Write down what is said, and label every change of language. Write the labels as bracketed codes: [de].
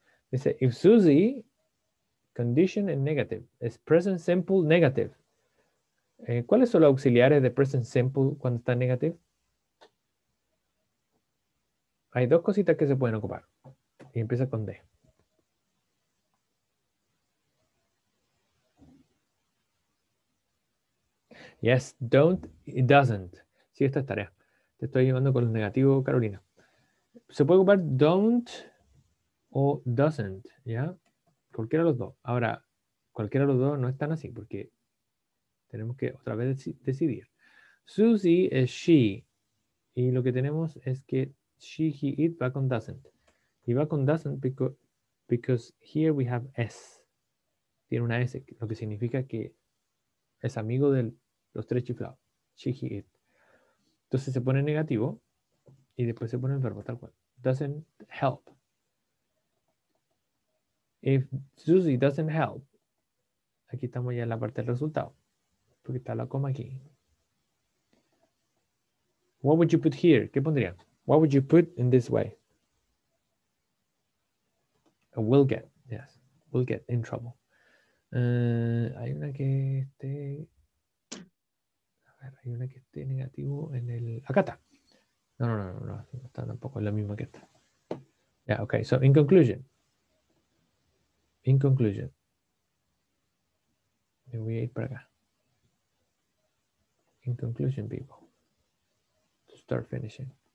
[es] Dice, [en] if Susie, condition and negative, is present simple negative. [es] ¿Cuáles son los auxiliares de present simple cuando está negative? Hay dos cositas que se pueden ocupar. Y empieza con D. [en] Yes, don't, it doesn't. [es] Sí, esta es tarea. Te estoy llevando con el negativo, Carolina. Se puede ocupar don't o doesn't, ¿ya? Cualquiera de los dos. Ahora, cualquiera de los dos no están así porque tenemos que otra vez decidir. Susie es she. Y lo que tenemos es que she, he, it va con doesn't. Y va con [en] doesn't because here we have S. [es] Tiene una S, lo que significa que es amigo de los tres chiflados. She, he, it. Entonces se pone negativo y después se pone el verbo tal cual. [en] Doesn't help. If Susie doesn't help, [es] aquí estamos ya en la parte del resultado. Porque está la coma aquí. [en] What would you put here? [es] ¿Qué pondría? [en] What would you put in this way? I will get, yes. Will get in trouble. [es] Hay una que esté... A ver, hay una que esté negativo en el... Acá está. No, está tampoco la misma que esta. [en] Yeah, okay, so in conclusion. In conclusion. [es] Me voy a ir para acá. [en] In conclusion, people. To start finishing.